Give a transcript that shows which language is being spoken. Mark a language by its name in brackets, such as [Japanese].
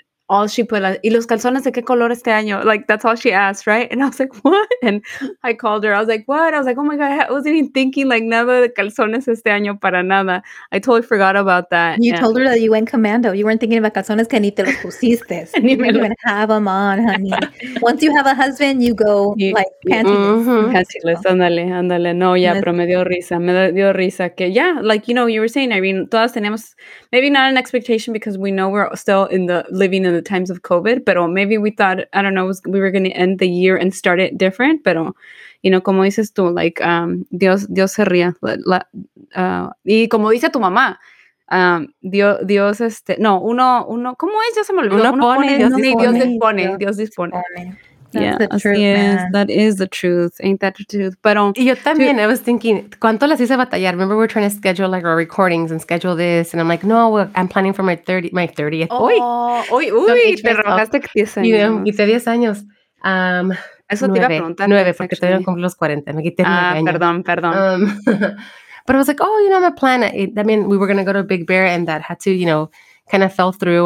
[English] All she put, [Spanish] ¿y los calzones de qué color este año? [English] Like, that's all she asked, right? And I was like, what? And I called her. I was like, what? I was like, oh my God, I wasn't even thinking like [Spanish] nada de calzones este año para nada. [English] I totally forgot about that. You told her that you went commando. You weren't thinking about calzones [Spanish] que ni te los pusiste. [English] You didn't even have them on, honey. Once you have a husband, you go like pantyless. [Spanish] Pantyless, ándale, ándale. No, ya, pero me dio risa. Me dio risa que, [English] yeah, like, you know, you were saying, I mean, [Spanish] todas tenemos, [English] maybe not an expectation because we know we're still living in the times of COVID, pero maybe we thought, I don't know, we were going to end the year and start it different, pero, you know, [Spanish] como dices tú, [English] like, [Spanish] Dios se ría, y como dice tu mamá, Dios, no, uno, ¿cómo es? Ya se me olvidó, uno pone, Dios dispone. Dios dispone. [English] That's the truth. Ain't that the truth? Pero, [Spanish] y yo también, [English] I was thinking, [Spanish] ¿cuánto las hice batallar? [English] Remember, we're trying to schedule like our recordings and schedule this. And I'm like, no, I'm planning for my 30th. [Spanish] Oh, uy, te rebajaste 10 años. Quité 10 años. Eso 9, te iba a preguntar. 9, porque todavía no cumplo los 40. Me quité 9 años. Perdón. [English] but I was like, oh, you know, I'm a plan. We were going to go to Big Bear and that had to, you know, kind of fell through.